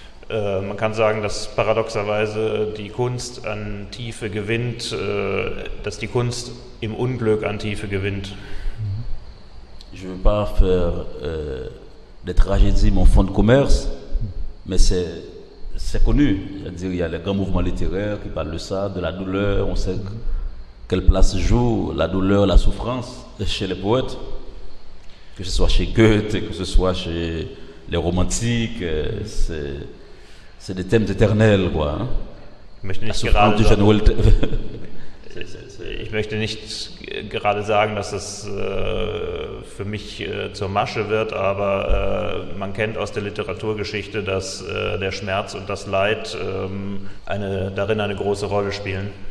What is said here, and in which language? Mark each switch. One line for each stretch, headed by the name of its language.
German: Man kann sagen, dass paradoxerweise die Kunst an Tiefe gewinnt, dass die Kunst im Unglück an Tiefe gewinnt.
French: Je ne veux pas faire des tragédies mon fonds de commerce. Mais c'est connu, c'est-à-dire il y a les grands mouvements littéraires qui parlent de ça, de la douleur. On sait que, quelle place joue la douleur, la souffrance chez les poètes, que ce soit chez Goethe, que ce soit chez les romantiques, c'est des thèmes éternels, quoi. Hein? La souffrance du jeune Voltaire.
German: Ich möchte nicht gerade sagen, dass es für mich zur Masche wird, aber man kennt aus der Literaturgeschichte, dass der Schmerz und das Leid darin eine große Rolle spielen.